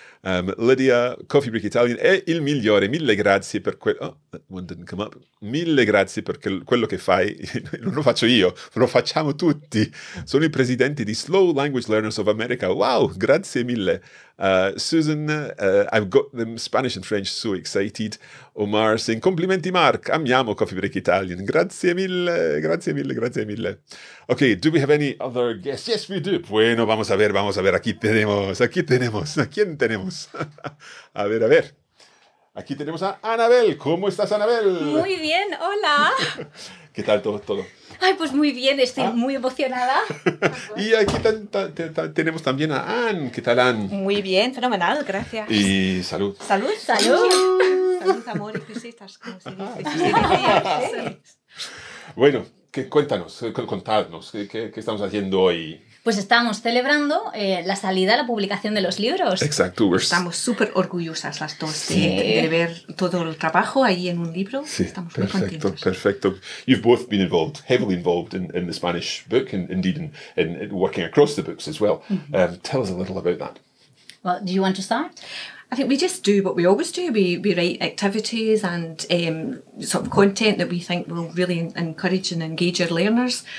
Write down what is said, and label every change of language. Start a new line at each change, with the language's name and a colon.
Italian: Lydia, Coffee Break Italian, è il migliore, mille grazie per quel...
English: Oh, one didn't come up.
Italian: Mille grazie per quello che fai. Non lo faccio io, lo facciamo tutti. Sono il presidente di Slow Language Learners of America. Wow, grazie mille.
English: Susan, I've got them Spanish and French so excited. Omar saying,
Italian: complimenti Mark, amiamo Coffee Break Italian. Grazie mille, grazie mille, grazie mille.
English: Okay, do we have any other guests? Yes, we do.
Spanish: Bueno, vamos a ver, aquí tenemos, ¿a quién tenemos? A ver, a ver. Aquí tenemos a Anabel. ¿Cómo estás, Anabel? Muy bien, hola. ¿Qué tal todo? Ay, pues muy bien, estoy muy emocionada. Y aquí tenemos también a Anne. ¿Qué tal, Anne? Muy bien, fenomenal, gracias. Y salud. Salud, salud. Salud, amor y visitas, como se dice. Sí, sí. Bueno, que cuéntanos, contadnos, ¿qué estamos haciendo hoy? Pues estamos celebrando la salida, la publicación de los libros. Exacto. Estamos súper orgullosas las dos de ver todo el trabajo ahí en un libro. Sí, estamos perfecto, muy perfecto.
English: You've both been involved, heavily involved in the Spanish book and indeed in working across the books as well. Mm-hmm. Tell us a little about that. Well, do you want to start? I think we just do what we always do. We write activities and sort of content that we think will really encourage and engage our learners.